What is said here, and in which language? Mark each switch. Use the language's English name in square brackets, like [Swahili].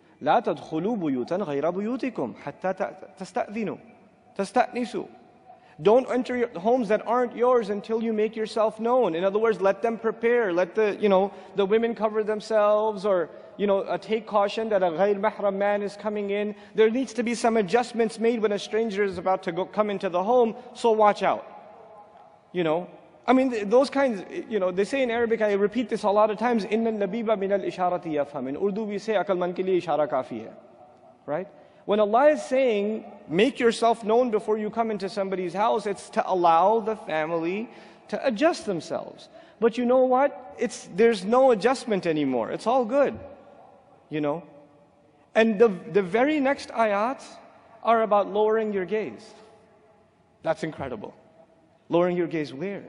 [Arabic] لا تدخلوا بيوتا غير بيوتكم حتى تستأذنوا تستأنسوا. [English] Don't enter your homes that aren't yours until you make yourself known. In other words, let them prepare. Let the, you know, the women cover themselves, or, you know, take caution that a غير محرم man is coming in. There needs to be some adjustments made when a stranger is about to go, come into the home. So watch out. You know, I mean, those kinds, you know, they say in Arabic, I repeat this a lot of times, [Arabic] إِنَّ اللَّبِيبَ مِنَ الْإِشَارَةِ يَفْهَمِ. [English] In Urdu we say, [Urdu] أَكَلْ مَنْ كِلِي إِشَارَةَ كَافِيهَ. [English] Right? When Allah is saying, make yourself known before you come into somebody's house, it's to allow the family to adjust themselves. But you know what? There's no adjustment anymore. It's all good. You know? And the very next ayat are about lowering your gaze. That's incredible. Lowering your gaze where?